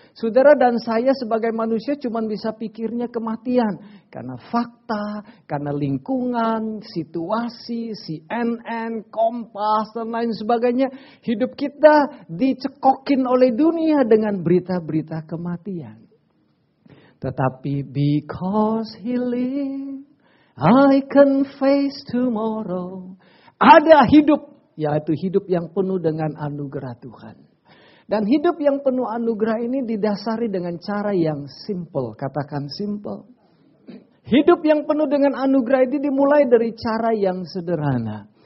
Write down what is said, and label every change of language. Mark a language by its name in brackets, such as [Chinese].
[Indonesian] Saudara dan saya sebagai manusia cuma bisa pikirnya kematian. Karena fakta, karena lingkungan, situasi, CNN, Kompas, dan lain sebagainya. Hidup kita dicekokin oleh dunia dengan berita-berita kematian. Tetapi [English] because He live, I can face tomorrow. [Indonesian] Ada hidup, yaitu hidup yang penuh dengan anugerah Tuhan. Dan hidup yang penuh anugerah ini didasari dengan cara yang simple. Katakan simple. Hidup yang penuh dengan anugerah ini dimulai dari cara yang sederhana.